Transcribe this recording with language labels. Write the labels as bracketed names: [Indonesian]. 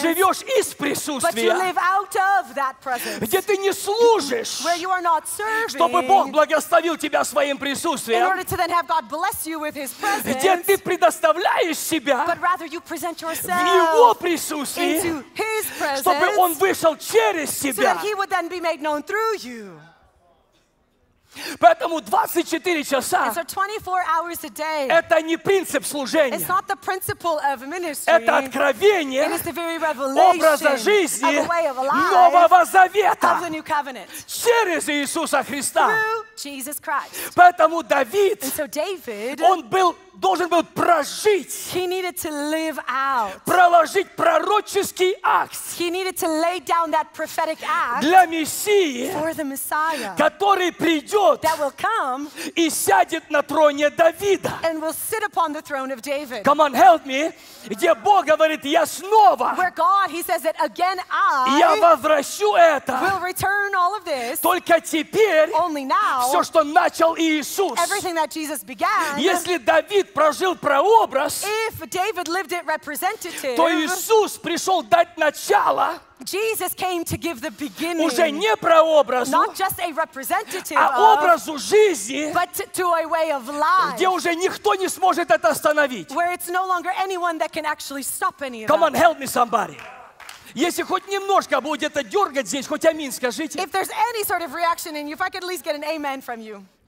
[Russian] ты живешь из присутствия, [English] but you live out of that presence, [Russian] где ты не служишь, [English] where you are not serving, [Russian] чтобы Бог благословил тебя своим присутствием, [English] in order to then have God bless you with his presence, [Russian] где ты предоставляешь себя, [English] but rather you present yourself, [Russian] в его присутствии, [English] into his presence, [Russian] чтобы он вышел через себя, [English] so that he would then be made known through you. [Russian] Поэтому 24 часа, [English] so 24 hours a day, [Russian] это не принцип служения. [English] It's not the principle of ministry. [Russian] Это откровение, [English] it is the very revelation, [Russian] образа жизни, [English] of a way of life, [Russian] Нового Завета, [English] of the new covenant, [Russian] через Иисуса Христа. [English] Through Jesus Christ. [Russian] Поэтому Давид, [English] and so David, [Russian] он был, должен был прожить, [English] he needed to live out, [Russian] проложить пророческий акт, [English] he needed to lay down that prophetic act, [Russian] для Мессии, [English] for the Messiah, [Russian] который придет, [English] that will come, [Russian] и сядет на троне Давида, [English] and will sit upon the throne of David. Come on, help me. [Russian] Где Бог говорит, я снова, [English] where God, he says that again, I, [Russian] я возвращу это, [English] will return all of this, [Russian] только теперь, [English] only now, [Russian] в все, что начал Иисус. [English] Everything that Jesus began, [Russian] если Давид прожил прообраз, [English] if David lived it representative, [Russian] то Иисус пришел дать начало. [English] Jesus came to give the beginning, [Russian] уже не прообразу, [English] not just a representative [Russian] а образу [English] of, [Russian] жизни, [English] but to a way of life, [Russian] где уже никто не сможет это остановить. [English] Where it's no longer anyone that can actually stop any of Come on, help me somebody. [Russian] Если хоть немножко будет это дергать здесь, хоть аминь скажите. [English] If there's any sort of reaction in you, if I could at least get an amen from you.